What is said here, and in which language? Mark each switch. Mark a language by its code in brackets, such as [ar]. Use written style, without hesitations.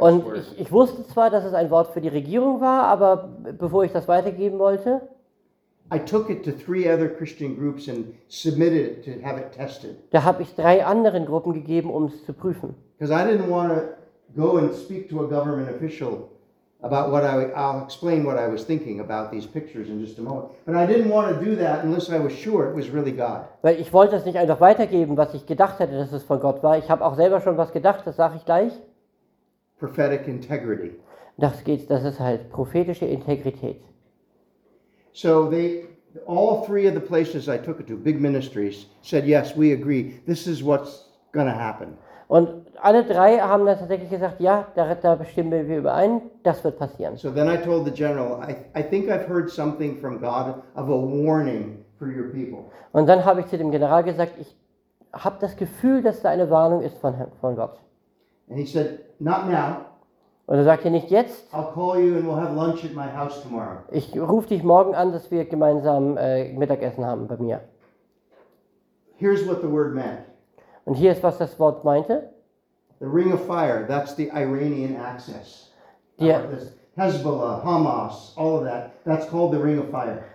[de] Und ich wusste zwar, dass es ein Wort für die Regierung war, aber bevor ich das weitergeben wollte. [en] I took it to three other Christian groups and submitted it to have it tested. [de] Da habe ich drei anderen Gruppen gegeben, um es zu prüfen. [en] Because I didn't want to go and speak to a government official about what I'll explain what I was thinking about these pictures in just a moment. But I didn't want to do that unless I was sure it was really God. [de] Weil ich wollte es nicht einfach weitergeben, was ich gedacht hätte, dass es von Gott war. Ich habe auch selber schon was gedacht, das sage ich gleich. [en] Prophetic integrity. [de] Das ist halt prophetische Integrität. [en] So they, all three of the places I took it to, big ministries, said, yes, we agree, this is what's going to happen. [de] Und alle drei haben dann tatsächlich gesagt, ja, da stimmen wir überein, das wird passieren. [en] So then I told the general, I think I've heard something from God of a warning for your people. [de] Und dann habe ich zu dem General gesagt, ich habe das Gefühl, dass da eine Warnung ist von Gott. [en] And he said, not now. [de] Und er sagt dir nicht jetzt. [en] I'll call you and we'll have lunch at my house tomorrow. [de] Ich rufe dich morgen an, dass wir gemeinsam Mittagessen haben bei mir. [en] Here's what the word meant. [de] Und hier ist, was das Wort meinte. [en] The ring of fire, that's the Iranian access. Hezbollah, Hamas, all of that, that's called the ring of fire.